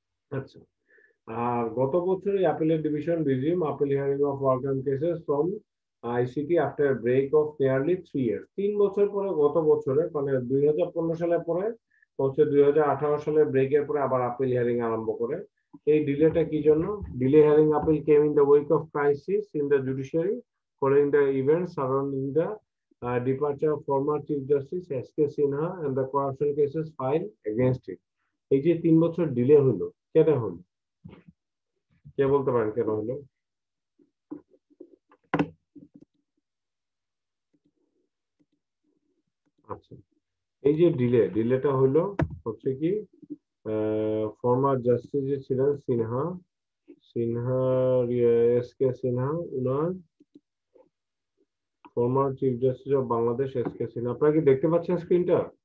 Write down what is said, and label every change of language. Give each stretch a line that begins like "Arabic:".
Bangla: আচ্ছা, আর গত বছর
English: আপিলের division resume appeal hearing of working cases from ICT after break of nearly 3 years,
Bangla: 3 বছর পরে গত বছরে মানে 2015 সালে পরে হচ্ছে 2018 সালে ব্রেকের পরে আবার আপিল হিয়ারিং আরম্ভ করে, এই ডিলেটা কি জন্য,
English: Delay hearing appeal came in the wake of crisis in the judiciary following the events surrounding the departure of former Chief Justice S.K. Sinha and the corruption cases filed against it.
Bangla: এই যে 3 বছর delay হলো কেন হলো কে বলতে পারেন কেন হলো আচ্ছা এই যে ডিলে ডিলেটা হলো হচ্ছে কি ফরমার জাস্টিস যে ছিলেন সিনহা সিনহা এস কে সিনহা উনার former chief justice of Bangladesh S K Sinha আপনারা কি দেখতে পাচ্ছেন স্ক্রিনটা